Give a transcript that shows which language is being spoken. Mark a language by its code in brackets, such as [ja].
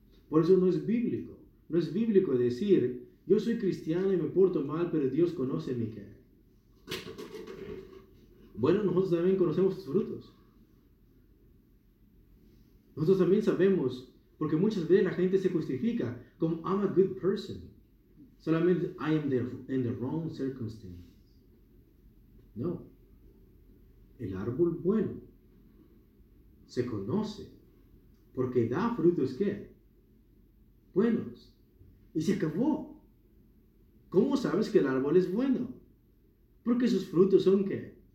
[es] Por eso no es bíblico. No es bíblico decir, yo soy cristiano y me porto mal, pero Dios conoce mi ¿qué? Bueno, nosotros también conocemos tus frutos. Nosotros también sabemos, porque muchas veces la gente se justifica como [en] I'm a good person. [es] Solamente [en] I am in the wrong circumstance. [es] No. El árbol bueno se conoce porque da frutos ¿qué? Buenos. Y se acabó. ¿Cómo sabes que el árbol es bueno? Porque sus frutos son ¿qué?